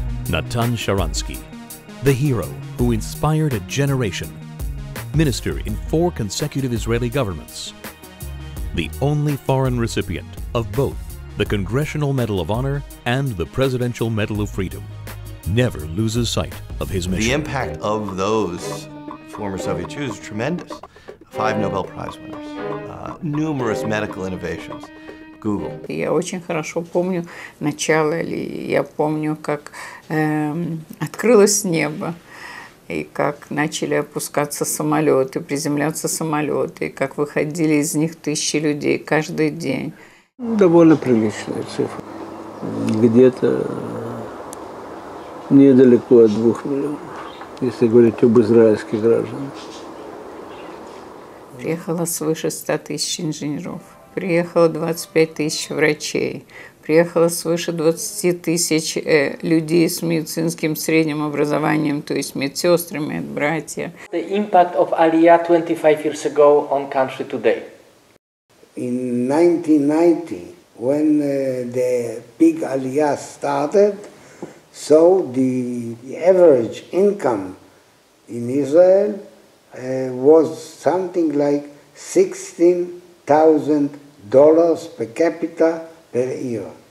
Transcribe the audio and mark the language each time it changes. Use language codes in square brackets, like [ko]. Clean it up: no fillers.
[en] Natan Sharansky, the hero who inspired a generation, minister in four consecutive Israeli governments, the only foreign recipient of both the Congressional Medal of Honor and the Presidential Medal of Freedom, never loses sight of his mission. The impact of those former Soviet Jews is tremendous. 5 Nobel Prize winners, numerous medical innovations, Google. [ru] Я очень хорошо помню начало, или я помню, как открылось небо, и как начали опускаться самолеты, приземляться самолеты, и как выходили из них тысячи людей каждый день. Довольно приличная цифра. Где-то недалеко от 2 миллионов, если говорить об израильских гражданах. Приехало свыше 100 тысяч инженеров, приехало 25 тысяч врачей, приехало свыше 20 тысяч людей с медицинским средним образованием, то есть медсестры, медбратья. [en] The impact of Aliyah 25 years ago on country today. In 1990, when the big Aliyah started, so the average income in Israel was something like $16,000 per capita per year.